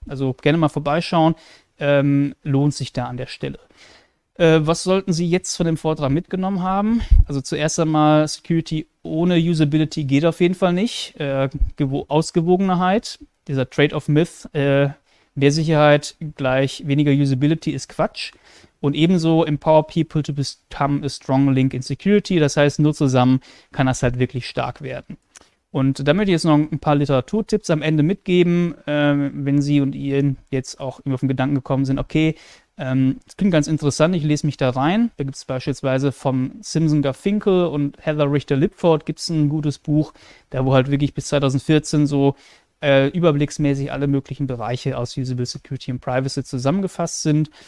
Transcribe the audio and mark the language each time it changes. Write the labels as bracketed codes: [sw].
[de] Also gerne mal vorbeischauen, lohnt sich da an der Stelle. Was sollten Sie jetzt von dem Vortrag mitgenommen haben? Also zuerst einmal, Security ohne Usability geht auf jeden Fall nicht. Ausgewogenheit, dieser Trade-off-Myth, mehr Sicherheit gleich weniger Usability ist Quatsch. Und ebenso [en] empower people to become a strong link in Security. [de] Das heißt, nur zusammen kann das halt wirklich stark werden. Und da möchte ich jetzt noch ein paar Literaturtipps am Ende mitgeben, wenn Sie und Ihr jetzt auch irgendwie auf den Gedanken gekommen sind, okay, das klingt ganz interessant, ich lese mich da rein. Da gibt es beispielsweise von Simson Garfinkel und Heather Richter-Lipford gibt es ein gutes Buch, da wo halt wirklich bis 2014 so überblicksmäßig alle möglichen Bereiche aus Usable Security und Privacy zusammengefasst sind.